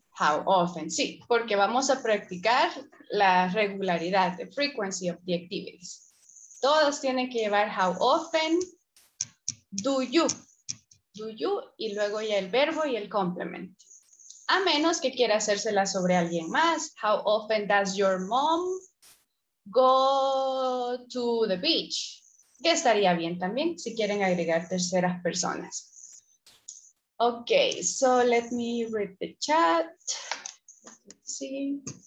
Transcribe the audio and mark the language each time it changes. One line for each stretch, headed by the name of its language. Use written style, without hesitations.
English: How often,
Spanish: sí, porque vamos a practicar la regularidad,
English: the frequency of the activities.
Spanish: Todos tienen que llevar
English: how often, do you,
Spanish: y luego ya el verbo y el complement. A menos que quiera hacérsela sobre alguien más.
English: How often does your mom go to the beach?
Spanish: Que estaría bien también si quieren agregar terceras personas.
English: Ok, so let me read the chat. Let's see.